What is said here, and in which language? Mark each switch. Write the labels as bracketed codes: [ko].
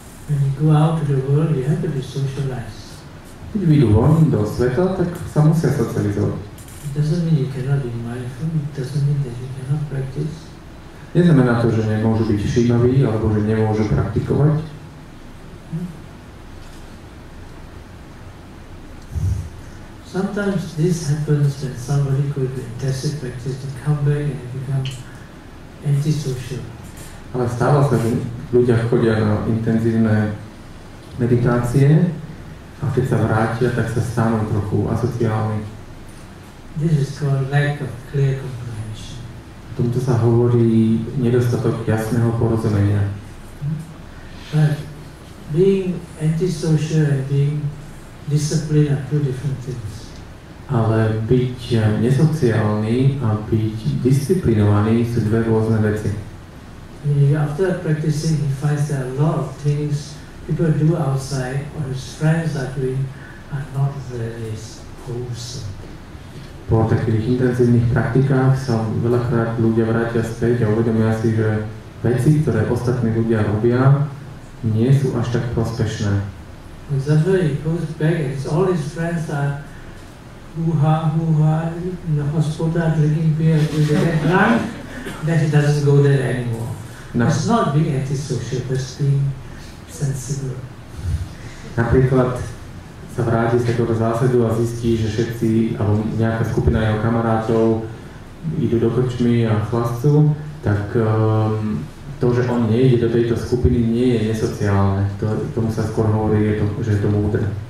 [en] When you go out to the world, you have to be socialized. [sk] Keď vyjdu von do sveta, tak sa musia socializovať. [en] It doesn't mean you cannot be mindful, it doesn't mean that you cannot practice. [sk] Neznamená to, že nemôžu byť všímaví, alebo že nemôžu praktikovať. [en] Sometimes this happens when somebody could be intensive practice to come back and become antisocial. [sk] Ale stáva sa, že ľudia chodia na intenzívne meditácie a keď sa vrátia, tak sa stanú trochu asociálni. [en] This is called lack of clear comprehension. [sk] O tomto sa hovorí nedostatok jasného porozumenia. [en] But being antisocial and being disciplined are two different things. [sk] Ale byť nesociálny a byť disciplinovaný sú dve rôzne veci. [en] After practicing, he finds that a lot of things people do outside or his friends are doing are not very wholesome. [sk] Po takých intenzívnych praktikách sa veľakrát ľudia vrátia späť a uvedomia si, že veci, ktoré ostatní ľudia robia, nie sú až tak prospešné. [en] Exactly, he goes back and all his friends are in the hospital drinking beer, and they get drunk, then he doesn't go there anymore. No. It's not being antisocial, it's being sensible. [sk] Napríklad sa vráti z takého zásadu a zistí, že všetci, alebo nejaká skupina jeho kamarátov idú do krčmy a chlascu, tak to, že on nejde do tejto skupiny, nie je nesociálne. To, tomu sa skôr hovorí, je to, že je to múdre.